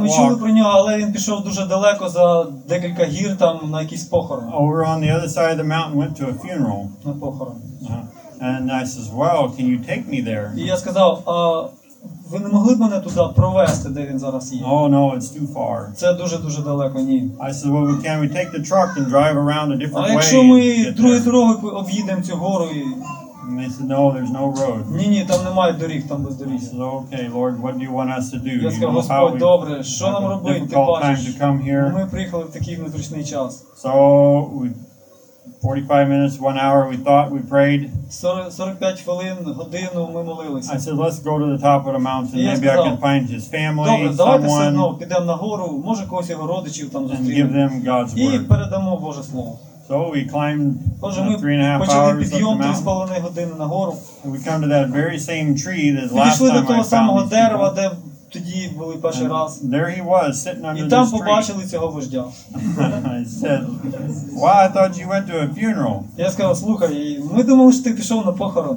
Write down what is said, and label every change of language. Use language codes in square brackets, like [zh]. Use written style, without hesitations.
[uk] Ми чули про нього, але він пішов дуже далеко за декілька гір там на якийсь похорон. [en] Over on the other side of the mountain, went to a funeral. [uk] На похорон. [en] And I says, well, can you take me there? [uk] І я сказав, ви не могли б мене туди провести, де він зараз є? [en] Oh, no, it's too far. [uk] Це дуже-дуже далеко, ні. [en] I said, well, can we take the truck and drive around a different way? [uk] А якщо ми другою дорогою об'їдемо цю гору і... [en] And they said, no, there's no road. [uk] Ні, там немає доріг, там без доріг. [en] I said, okay, Lord, what do you want us to do? [uk] Я сказав, Господь, добре, що нам робити? Ти бачиш, ми приїхали в такий незручний час. [en] So, 45 minutes, 1 hour, we thought, we prayed. [uk] 45 хвилин, годину ми молилися. [en] I said, let's go to the top of the mountain. Maybe [uk] сказав, [en] I can find his family, [uk] добре, Добре, давайте все одно підемо нагору, може когось його родичів там зустрінемо. [en] And give them God's word. [uk] І передамо Боже Слово. [en] So we climbed 3.5 hours up the mountain. [uk] 3.5 години нагору. [en] And we come to that very same tree that last time I found these people. [uk] Ми пішли до того самого дерева, де тоді були перший раз. [en] There he was, sitting under the tree. [uk] І там побачили цього вождя. [en] I said, "Well, I thought you went to a funeral." [uk] Я сказав, "Слухай, ми думали, що ти пішов на похорон."